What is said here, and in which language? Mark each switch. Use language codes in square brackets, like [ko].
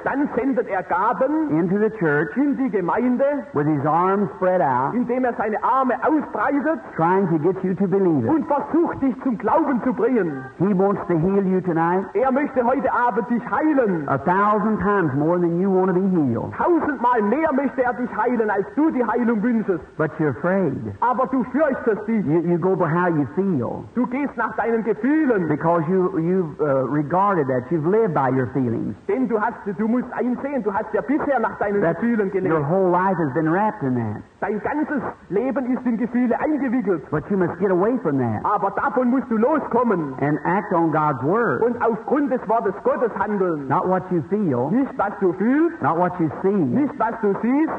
[de] Dann sendet Gaben. [en] Into the church. [de] In die Gemeinde. [en] With his arms spread out. [de] Indem seine Arme ausbreitet. [en] Trying to get you to believe it. [de] Und versucht dich zum Glauben zu bringen. [en] He wants to heal you tonight. [de] Möchte heute Abend dich heilen. [en] A thousand times more than you want to be healed. [de] Tausendmal mehr möchte dich heilen, als du die Heilung wünschest. [en] But you're afraid. [de] Aber du fürchtest dich. [en] You go by how you feel. [de] Du gehst nach deinen Gefühlen. [en] Because you've regarded that. You've lived by your feelings. [de] Denn du musst einsehen, du hast ja bisher nach deinen Gefühlen gelebt. [en] Your whole life has been wrapped in that. [de] Dein ganzes Leben ist in Gefühle eingewickelt. [en] But you must get away from that. [de] Aber davon musst du loskommen. [en] And act on God's word. [de] Und aufgrund des Wortes Gottes handeln. [en] Not what you feel. [de] Nicht was du fühlst. [en] Not what you see. [de] Nicht was du siehst.